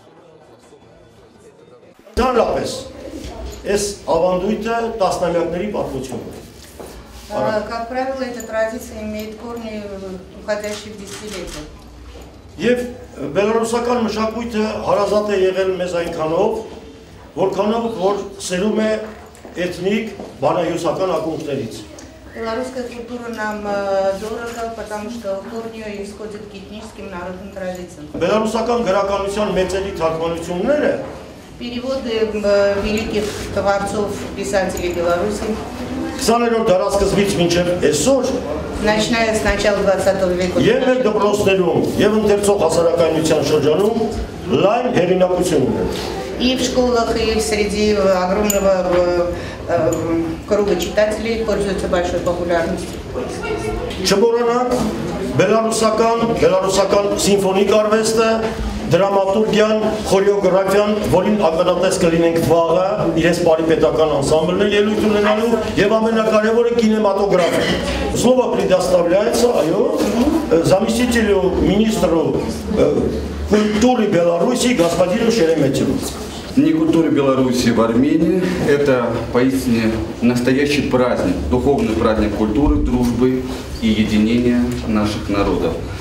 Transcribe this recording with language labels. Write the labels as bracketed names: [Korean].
[Armenian] Ընդհանրապես ես ավանդույթը տասնամյակների պատմություն [Russian] Как правило, эта традиция имеет корни, уходящие в десятилетия. [Armenian] Եվ բելարուսական մշակույթը հարազատ է եղել մեզ այնքանով, որքանով որ սերում է էթնիկ բանահյուսական ակունքներից. [Russian] Белорусская культура нам дорога, потому что корни ее исходят к этническим народным традициям. [Armenian] Белорусական գրականության մեծերի թարգմանությունները [Russian] Переводы великих творцов, писателей Беларуси. [Armenian] 20-րդ դարասկզբից մինչև այսօր [Russian] Начиная с начала 20 века. [Armenian] Եվ մեր դպրոցներում, եւ ընդերցող հասարակայնության շրջանում լայն հեղինակություն ունի. [Russian] И в школах, и среди огромного круга читателей пользуется большой популярностью. [Armenian] Չմոռանանք բելարուսական, բելարուսական սիմֆոնիկ արվեստը, դրամատուրգիան, խորեոգրաֆիան, որին ակնատես կլինենք վաղը, իրենց պարիպետական անսամբլն էլ ելույթ ունենալու, եւ ամենակարևորը կինեմատոգրաֆը. [Russian] Слово предоставляется, айо, заместителю министру культуры Беларуси, господину Шереметьеву. День культуры Беларуси в Армении – это поистине настоящий праздник, духовный праздник культуры, дружбы и единения наших народов.